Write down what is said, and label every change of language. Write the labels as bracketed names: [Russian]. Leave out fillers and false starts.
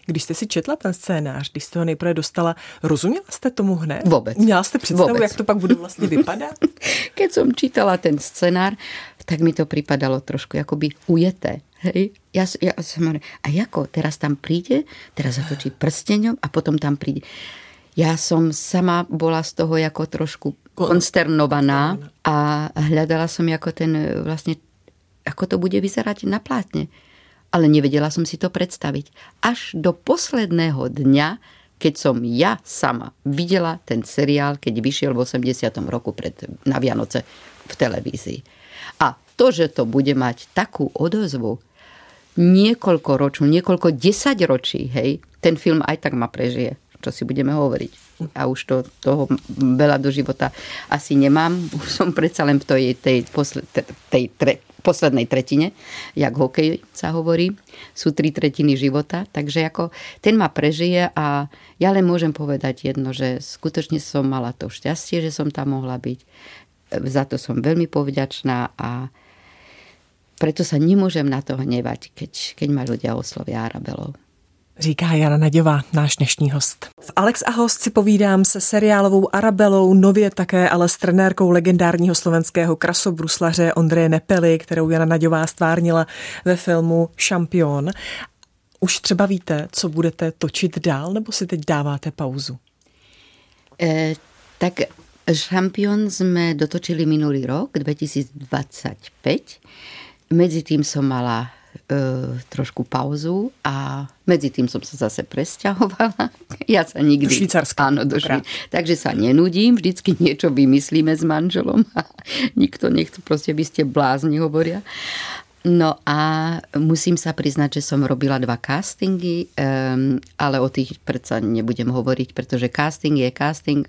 [Czech] Když jste si četla ten scénář, když jste ho nejprve dostala, rozuměla jste tomu hned? Vůbec. Měla jste představu, vůbec, jak to pak bude vlastně vypadat? Keď jsem čítala ten scénář, tak mi to připadalo trošku jakoby ujeté. Hej. [Slovak] A jako, teraz tam přijde, teraz zatočí prstěňom a potom tam přijde. Ja som sama bola z toho ako trošku konsternovaná a hľadala som ako ten vlastne, ako to bude vyzerať na plátne. Ale nevedela som si to predstaviť. Až do posledného dňa, keď som ja sama videla ten seriál, keď vyšiel v 80. roku na Vianoce v televízii. A to, že to bude mať takú odozvu, niekoľko desaťročí, hej, ten film aj tak ma prežije. Čo si budeme hovoriť. A už toho veľa do života asi nemám. Už som predsa len v tej poslednej tretine, jak hokej sa hovorí, sú tri tretiny života. Takže ako ten ma prežije a ja len môžem povedať jedno, že skutočne som mala to šťastie, že som tam mohla byť. Za to som veľmi povďačná a preto sa nemôžem na to hnevať, keď ma ľudia oslovia Arabelou. [Czech] Říká Jana Naďová, náš dnešní host. V Alex a host si povídám se seriálovou Arabelou, nově také ale s trenérkou legendárního slovenského krasobruslaře Ondreje Nepely, kterou Jana Naďová stvárnila ve filmu Šampion. Už třeba víte, co budete točit dál, nebo si teď dáváte pauzu? Tak Šampion jsme dotočili minulý rok, 2025. Mezitím jsem mala trošku pauzu [Slovak] a medzi tým som sa zase presťahovala. Ja sa nikdy... [Czech] Do Švýcarska. [Slovak] Áno, do Švýcarska. Takže sa nenudím. Vždycky niečo vymyslíme s manželom. Nikto nechce, proste by ste blázni, hovoria. No a musím sa priznať, že som robila dva castingy, ale o tých predsa nebudem hovoriť, pretože casting je casting.